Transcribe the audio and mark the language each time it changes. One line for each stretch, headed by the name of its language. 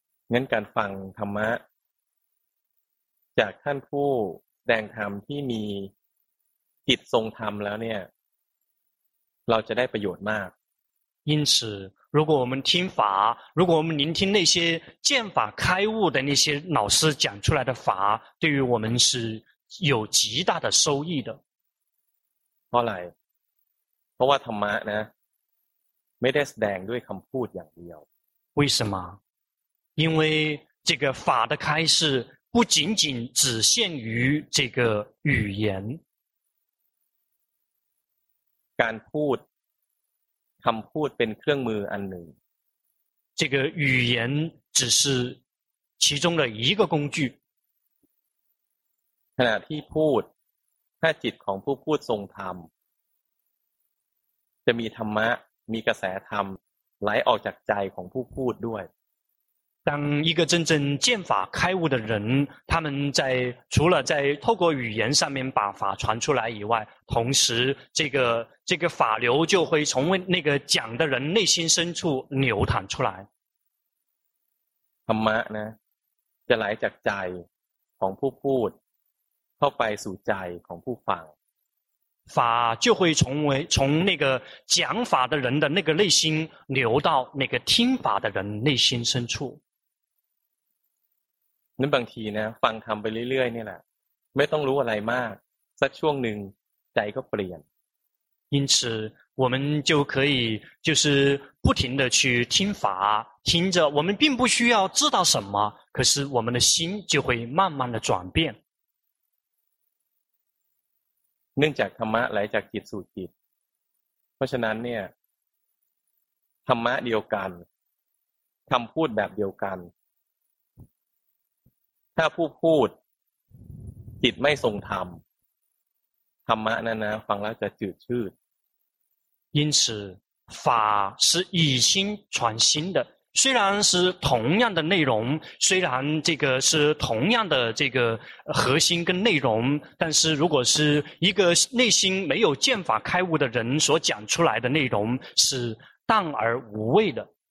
Thai: งั้นการฟังธรรมะจากท่านผู้แสดงธรรมที่มีจิตทรงธรรมแล้วเนี่ยเราจะได้ประโยชน์มาก
Chinese: 因此如果我们听法如果我们聆听那些见法开悟的那些老师讲出来的法对于我们是有极大的收益的
Thai: เพราะอะไรเพราะว่าธรรมะนะไม่ได้แสดงด้วยคำพูดอย่างเดียว
Chinese: 为什么因为这个法的开示不仅仅只限于这个语言
Thai: การพูดคำพูดเป็นเครื่องมืออันหนึ่ง
Chinese: 这个语言只是其中的一个工具
Thai: ขณะที่พูดถ้าจิตของผู้พูดทรงธรรมจะมีธรรมะมีกระแสธรรมไหลออกจากใจของผู้พูดด้วย
Chinese: 当一个真正见法开悟的人，他们在除了在透过语言上面把法传出来以外，同时这个法流就会从那个讲的人内心深处流淌出来。
Thai: ธรรมะนะจะไหลจากใจของผู้พูดเข้าไปสู่ใจของผู้ฟัง。
Chinese: 法就会从那个讲法的人的那个内心流到那个听法的人内心深处。
Thai: นั้นบางทีนะฟังธรรมไปเรื่อยๆนี่แหละไม่ต้องรู้อะไรมากสักช่วงหนึ่งใจก็เปลี่ยน
Chinese: 因此我们就可以就是不停的去听法听着我们并不需要知道什么可是我们的心就会慢慢的转变
Thai: เนื่องจากธรรมะไหลจากจิตสู่จิตเพราะฉะนั้นเนี่ยธรรมะเดียวกันคำพูดแบบเดียวกันถ้าผู้พูดจิตไม่ทรงธรรมธรรมะนั้นนะฟังแล้วจะจืดชืด
Chinese: 因此法是以心传心的虽然是同样的内容虽然这个是同样的这个核心跟内容但是如果是一个内心没有见法开悟的人所讲出来的内容是淡而无味的